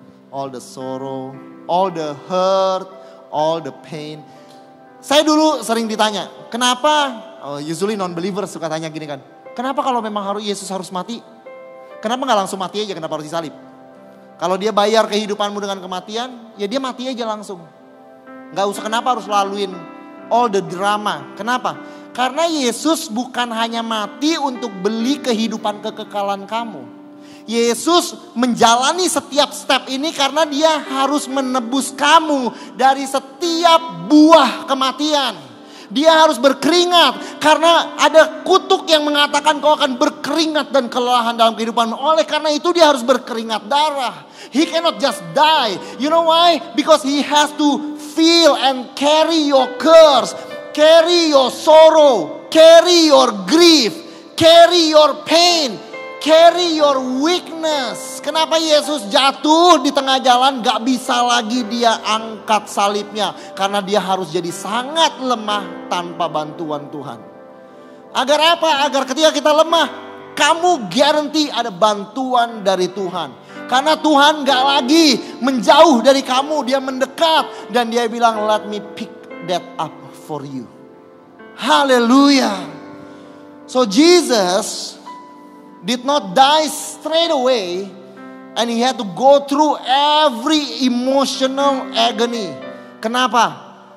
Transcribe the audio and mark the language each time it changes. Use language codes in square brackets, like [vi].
[en] All the sorrow, all the hurt, all the pain. [id] Saya dulu sering ditanya, kenapa? [en] Oh, usually non-believer [id] suka tanya gini kan. Kenapa kalau memang Yesus harus mati? Kenapa gak langsung mati aja, kenapa harus disalib? Kalau dia bayar kehidupanmu dengan kematian, ya dia mati aja langsung. Gak usah kenapa harus laluin [en] all the drama. [id] Kenapa? Karena Yesus bukan hanya mati untuk beli kehidupan kekekalan kamu. Yesus menjalani setiap step ini karena dia harus menebus kamu dari setiap buah kematian. Dia harus berkeringat karena ada kutuk yang mengatakan kau akan berkeringat dan kelelahan dalam kehidupanmu. Oleh karena itu dia harus berkeringat darah. [en] He cannot just die. You know why? Because he has to feel and carry your curse, carry your sorrow, carry your grief, carry your pain, carry your weakness. [id] Kenapa Yesus jatuh di tengah jalan, gak bisa lagi dia angkat salibnya? Karena dia harus jadi sangat lemah tanpa bantuan Tuhan. Agar apa? Agar ketika kita lemah, kamu guarantee ada bantuan dari Tuhan. Karena Tuhan gak lagi menjauh dari kamu, dia mendekat. Dan dia bilang, [en] let me pick that up for you. Hallelujah. So Jesus did not die straight away. And he had to go through every emotional agony. Kenapa?